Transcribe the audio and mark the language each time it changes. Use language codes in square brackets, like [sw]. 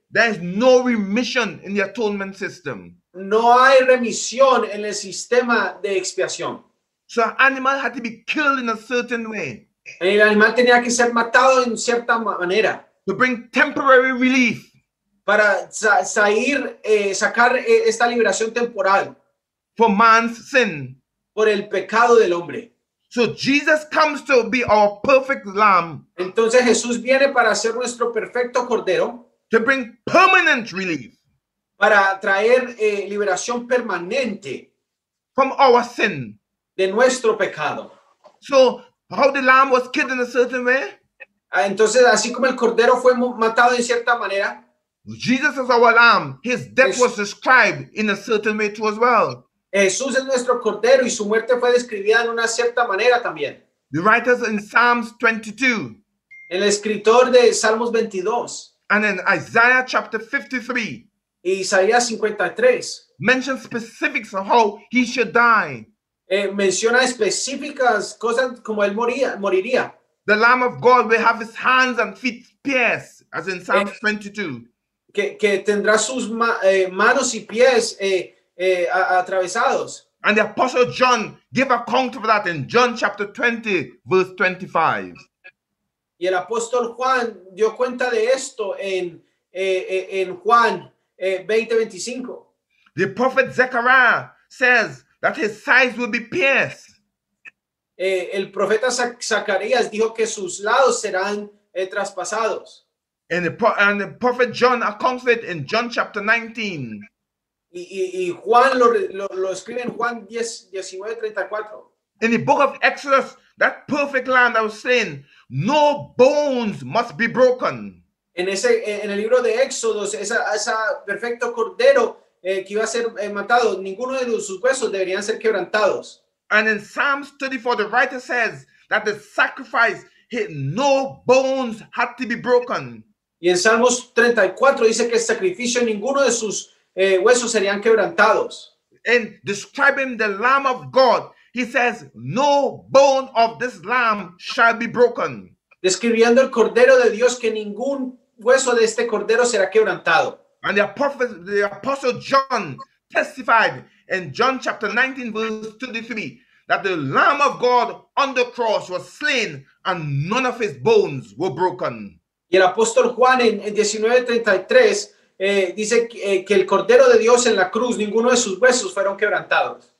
[en] There is no remission in the atonement system. [es] No hay remisión en el sistema de expiación. [en] So an animal had to be killed in a certain way. [es] El animal tenía que ser matado en cierta manera. [en] To bring temporary relief. [es] Para sacar esta liberación temporal. [en] For man's sin. [es] Por el pecado del hombre. [en] So Jesus comes to be our perfect lamb. [es] Entonces Jesús viene para ser nuestro perfecto cordero. [en] To bring permanent relief. [es] Para traer liberación permanente. [en] From our sin. [es] De nuestro pecado. [en] So how the lamb was killed in a certain way. [es] Entonces así como el cordero fue matado en cierta manera. [en] Jesus is our lamb. His death was described in a certain way too as well. [es] Jesús es nuestro cordero y su muerte fue descrita en una cierta manera también. [en] The writers in Psalms 22. [es] El escritor de Salmos 22. [en] And in Isaiah chapter 53. [es] Isaías 53. [en] Mention specifics of how he should die. [es] Menciona específicas cosas como él moriría. [en] The Lamb of God will have his hands and feet pierced, as in Psalms 22. [es] Que tendrá sus manos y pies atravesados. [en] And the Apostle John gave account of that in John chapter 20, verse 25. [es] Y el Apóstol Juan dio cuenta de esto en Juan 20:25. [en] The prophet Zechariah says that his sides will be pierced. [es] El profeta Zacarías dijo que sus lados serán traspasados. [en] And the prophet John accounts it in John chapter 19. [es] Y Juan lo escribe en Juan 19:34. [en] In the book of Exodus, that perfect lamb that was slain, no bones must be broken. [es] En el libro de Éxodos, esa perfecto cordero que iba a ser matado, ninguno de sus huesos deberían ser quebrantados. [en] And in Psalms 34, the writer says that the sacrifice hit no bones had to be broken. [es] Y en Salmos 34 dice que el sacrificio ninguno de sus huesos serían quebrantados. [en] In describing the Lamb of God, he says, no bone of this lamb shall be broken. [es] Describiendo el cordero de Dios que ningún hueso de este cordero será quebrantado. [en] And the apostle John testified in John chapter 19 verse 23 that the Lamb of God on the cross was slain and none of his bones were broken. [es] Y el apóstol Juan en 19:33 dice que el cordero de Dios en la cruz ninguno de sus huesos fueron quebrantados.